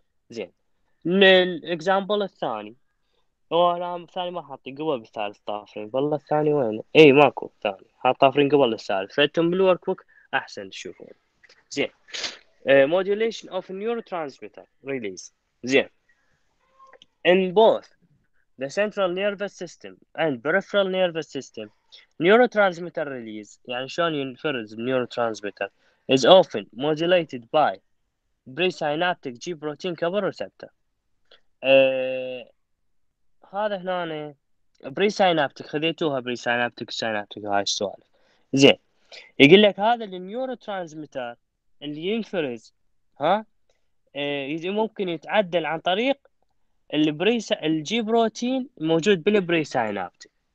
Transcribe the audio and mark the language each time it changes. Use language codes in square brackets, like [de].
[ar] زين، الاكزامبل الثاني، هو الثاني ما حاطي قبل بالثالث طافرين، والله الثاني وين؟ اي ماكو ثاني، حاط طافرين قبل الثالث، فتم بالورك بوك احسن تشوفون. [en] زين، modulation of neurotransmitter release. زين، in both the central nervous system and peripheral nervous system, neurotransmitter release, [ar] يعني شلون ينفرز [en] neurotransmitter, is often modulated by presynaptic G protein cover receptor. [ar] هذا هنا presynaptic، خذيتوها presynaptic synaptic هاي السؤال. زين، يقول لك هذا الـ neurotransmitter اللي ينفرز، ها، ممكن يتعدل عن طريق الجي بروتين موجود بالبري سينابتي.